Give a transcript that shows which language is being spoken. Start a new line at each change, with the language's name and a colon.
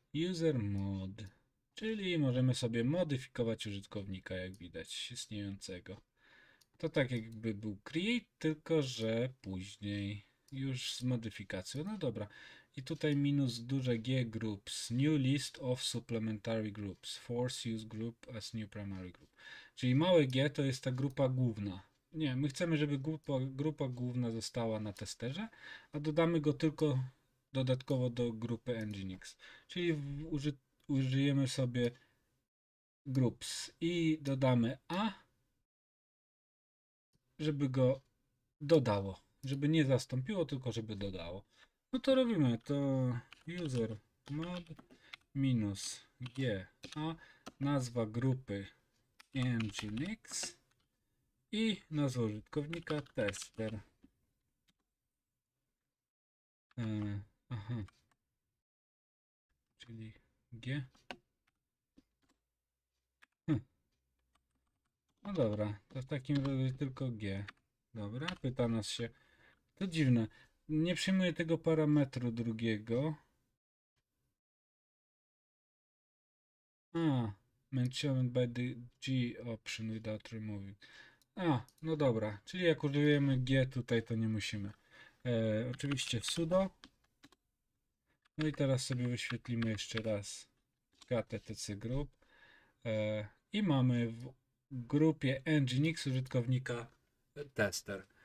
Polish: User mod, czyli możemy sobie modyfikować użytkownika, jak widać, istniejącego. To tak jakby był create, tylko że później już z modyfikacją. No dobra. I tutaj minus duże G groups.
English: New list of supplementary groups. Force use group as new primary group.
Polish: Czyli małe G to jest ta grupa główna. Nie, my chcemy, żeby grupa główna została na testerze, a dodamy go tylko dodatkowo do grupy Nginx. Czyli użyjemy sobie groups i dodamy A, żeby go dodało. Żeby nie zastąpiło, tylko żeby dodało. No to robimy to user mod minus g a nazwa grupy nginx i nazwa użytkownika tester. Czyli g. No dobra, to w takim razie tylko g. Dobra, pyta nas się. To dziwne. Nie przyjmuję tego parametru drugiego.
English: Mentioned by the G option without removing.
Polish: No dobra. Czyli jak użyjemy G tutaj, to nie musimy. Oczywiście sudo. No i teraz sobie wyświetlimy jeszcze raz KTTC group. I mamy w grupie Nginx użytkownika tester.